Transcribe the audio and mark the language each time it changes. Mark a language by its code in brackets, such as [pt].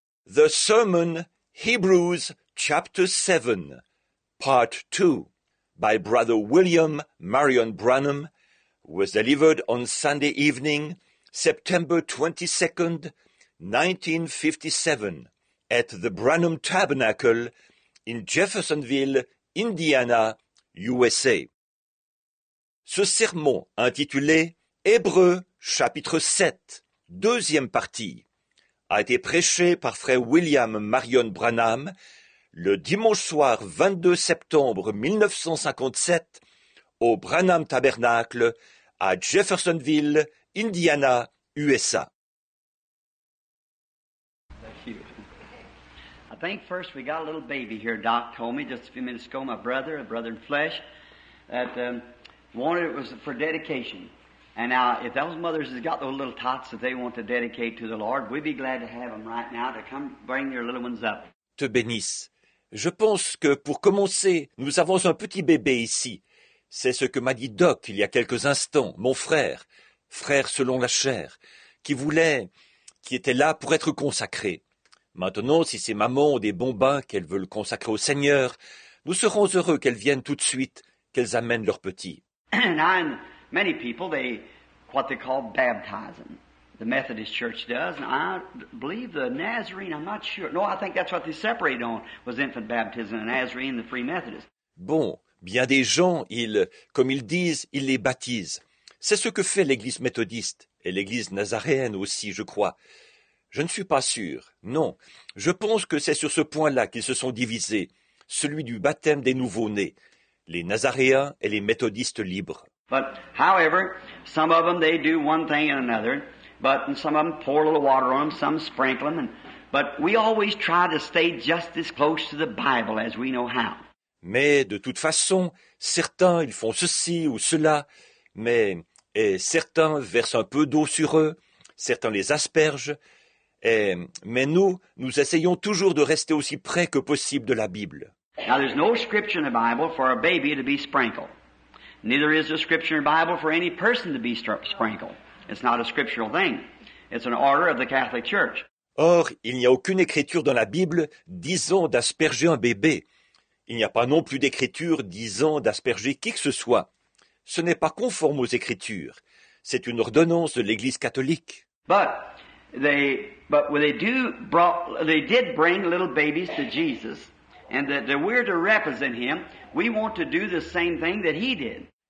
[en] The Sermon, Hebrews, Chapter 7, Part 2, by Brother William Marion Branham, was delivered on Sunday evening, September 22, 1957, at the Branham Tabernacle in Jeffersonville, Indiana, USA. [fr] Ce sermon intitulé Hébreux, chapitre 7, deuxième partie, a été prêché par Frère William Marion Branham le dimanche soir 22 septembre 1957 au Branham Tabernacle à Jeffersonville, Indiana, USA. [en] I think first we got a little baby here, Doc told me just a few minutes ago, my brother, a brother in flesh, that wanted it was for dedication. And now, if those mothers has got those little tots that they want to dedicate to the Lord, we'd be glad to have them right now to come bring your little ones up. [fr] Te bénisse. Je pense que, pour commencer, nous avons un petit bébé ici. C'est ce que m'a dit Doc il y a quelques instants, mon frère, frère selon la chair, qui était là pour être consacré. Maintenant, si ses mamans ont des bons bains qu'elles veulent consacrer au Seigneur, nous serons heureux qu'elles viennent tout de suite, qu'elles amènent leurs petits. [en] Many people, what they call baptizing. The Methodist Church does, and I believe the Nazarene, I'm not sure. No, I think that's what they separated on, was infant baptism, the Nazarene, the Free Methodist. [fr] Bon, bien des gens, ils les baptisent. C'est ce que fait l'Église méthodiste, et l'Église nazaréenne aussi, je crois. Je ne suis pas sûr, non. Je pense que c'est sur ce point-là qu'ils se sont divisés, celui du baptême des nouveaux-nés, les nazaréens et les méthodistes libres. [en] But, however, some of them, they do one thing and another, but and some of them pour a little water on them, some sprinkle them, but we always try to stay just as close to the Bible as we know how. [fr] Mais, de toute façon, certains, ils font ceci ou cela, et certains versent un peu d'eau sur eux, certains les aspergent, mais nous essayons toujours de rester aussi près que possible de la Bible. [en] Now, there's no scripture in the Bible for a baby to be sprinkled. Neither is a scripture in the Bible for any person to be sprinkled. It's not a scriptural thing. It's an order of the Catholic Church. [fr] Or, il n'y a aucune écriture dans la Bible disant d'asperger un bébé. Il n'y a pas non plus d'écriture disant d'asperger qui que ce soit. Ce n'est pas conforme aux écritures. C'est une ordonnance de l'Église catholique. [en] But they did bring little babies to Jesus. And that we're to represent him, we want to do the same thing that he did.